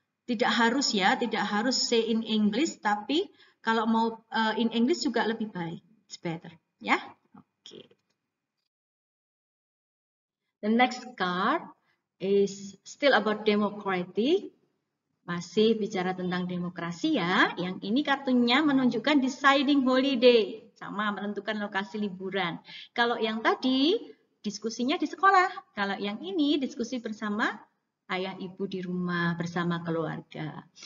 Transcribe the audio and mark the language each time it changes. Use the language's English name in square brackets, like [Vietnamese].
[Indonesian] Tidak harus [English] say in English, [Indonesian] tapi kalau mau [English] in English [Indonesian] juga lebih baik. [English] It's better, ya. Oke. The next card is still about democracy. [Indonesian] Masih bicara tentang demokrasi ya. Yang ini kartunya menunjukkan [English] deciding holiday, [Indonesian] sama menentukan lokasi liburan. Kalau yang tadi diskusinya di sekolah, kalau yang ini diskusi bersama ayah ibu di rumah bersama keluarga.